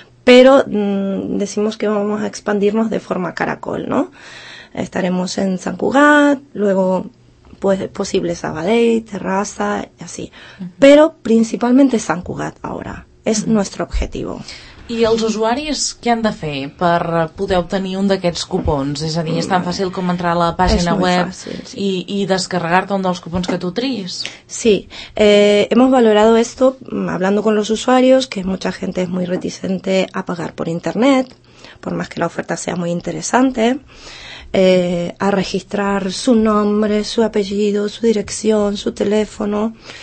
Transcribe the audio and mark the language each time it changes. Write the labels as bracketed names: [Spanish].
[Spanish] Pero decimos que vamos a expandirnos de forma caracol, ¿no? Estaremos en San Cugat, luego pues posible Sabadell, Terrassa y así. Pero principalmente San Cugat ahora. Es nuestro objetivo. [Catalan] I els usuaris què han de fer per poder obtenir un d'aquests cupons? És a dir, és tan fàcil com entrar a la pàgina web i descarregar-te un dels cupons que tu triïs? [Spanish] Sí, hemos valorado esto hablando con los usuarios, que mucha gente es muy reticente a pagar por internet, por más que la oferta sea muy interesante, a registrar su nombre, su apellido, su dirección, su teléfono.